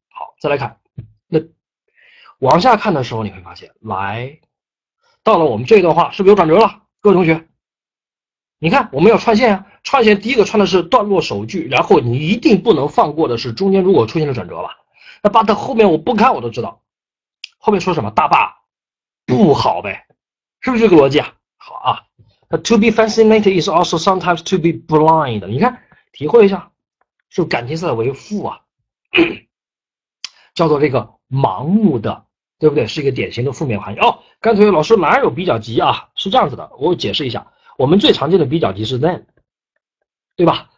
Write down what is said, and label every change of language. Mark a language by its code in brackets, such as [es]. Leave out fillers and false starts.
[zh] 好，再来看，那往下看的时候你会发现，来，到了我们这段话是不是有转折了？各位同学，你看我们要串线啊，串线第一个串的是段落首句，然后你一定不能放过的是中间如果出现了转折吧？那把它后面我不看我都知道，后面说什么？大坝不好呗，是不是这个逻辑啊？好啊。 [en] To be fascinated is also sometimes to be blind. [zh] 你看，体会一下，是感情色为负啊，叫做这个盲目的，对不对？是一个典型的负面含义。哦，刚才老师哪有比较级啊？是这样子的，我解释一下，我们最常见的比较级是 than， 对吧？